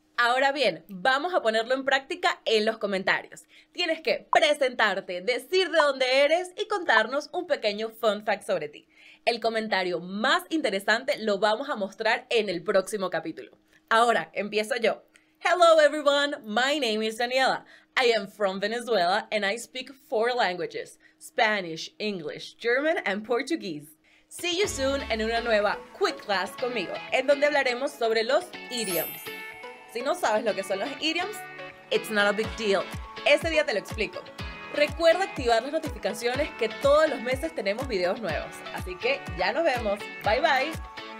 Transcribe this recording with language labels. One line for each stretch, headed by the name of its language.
Spanish: Ahora bien, vamos a ponerlo en práctica en los comentarios. Tienes que presentarte, decir de dónde eres y contarnos un pequeño fun fact sobre ti. El comentario más interesante lo vamos a mostrar en el próximo capítulo. Ahora, empiezo yo.
English: Hello everyone, my name is Daniela. I am from Venezuela and I speak four languages. Spanish, English, German and Portuguese. See you soon
Spanish: en una nueva Quick Class conmigo, en donde hablaremos sobre los idioms. Si no sabes lo que son los idioms,
English: it's not a big deal.
Spanish: Ese día te lo explico. Recuerda activar las notificaciones que todos los meses tenemos videos nuevos. Así que ya nos vemos. Bye bye.